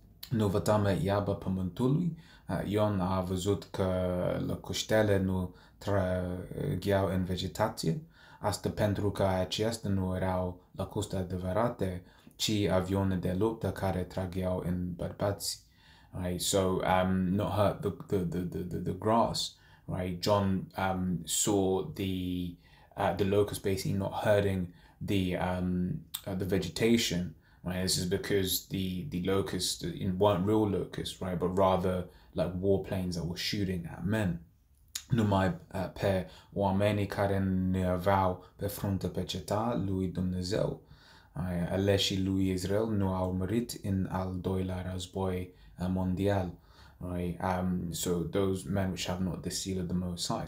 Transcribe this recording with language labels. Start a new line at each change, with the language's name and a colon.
Romanian: Nu vătăm iarba pământului. Ion a văzut că locuștele nu trăgeau în vegetație, asta pentru că acestea nu erau locuste adevărate, ci avioane de luptă care trăgeau în bărbați.
English: Right, so not hurt the grass. Right, John saw the locust basically not hurting the vegetation. Right, this is because the locusts weren't real locusts, right, but rather like warplanes that were shooting at men.
Romanian: Numai pe oamenii care ne aveau pe frunte pe cetă lui Dumnezeu. Aleșii lui Israel nu au murit în al doilea război mondial.
English: Right? So those men which have not the seal of the Most High.